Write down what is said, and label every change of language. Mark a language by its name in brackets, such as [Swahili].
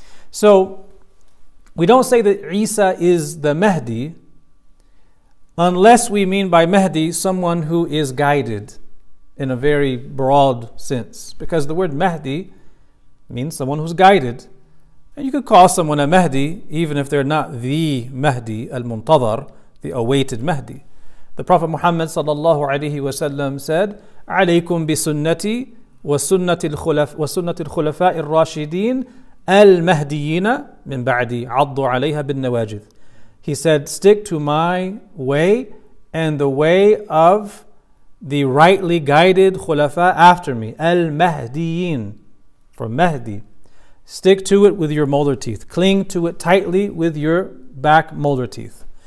[English] So we don't say that Isa is the Mahdi unless we mean by Mahdi someone who is guided in a very broad sense, because the word Mahdi means someone who's guided. And you could call someone a Mahdi even if they're not the Mahdi al-Muntadhar, the awaited Mahdi. The Prophet Muhammad sallallahu alayhi wa sallam said, [Arabic] عليكم بسنتي وسنت الخلفاء الراشدين المهديين من بعدي عضوا عليها بالنواجذ. [English] He said, stick to my way and the way of the rightly guided khulafa after me, al-mahdiyin, from Mahdi. Stick to it with your molar teeth. Cling to it tightly with your back molar teeth.